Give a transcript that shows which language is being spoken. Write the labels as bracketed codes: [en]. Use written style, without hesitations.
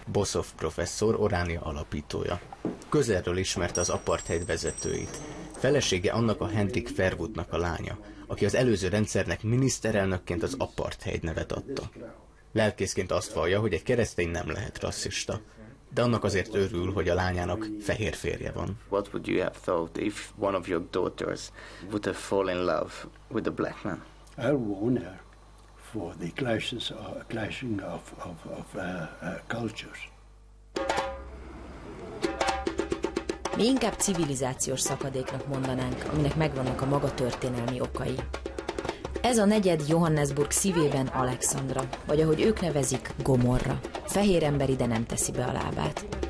[hu] Bosov professzor, Oránia alapítója. Közelről ismerte az apartheid vezetőit. Felesége annak a Hendrik Verwoerdnak a lánya, aki az előző rendszernek miniszterelnökként az apartheid nevet adta. Lelkészként azt vallja, hogy egy keresztény nem lehet rasszista. De annak azért örül, hogy a lányának fehér férje van. [en] What would you have thought if one of your daughters would have fallen in love with a black man? I'll warn her for the clashing of cultures. [hu] Mi inkább civilizációs szakadéknak mondanánk, aminek megvannak a maga történelmi okai. Ez a negyed Johannesburg szívében Alexandra, vagy ahogy ők nevezik, Gomorra. Fehér ember ide nem teszi be a lábát.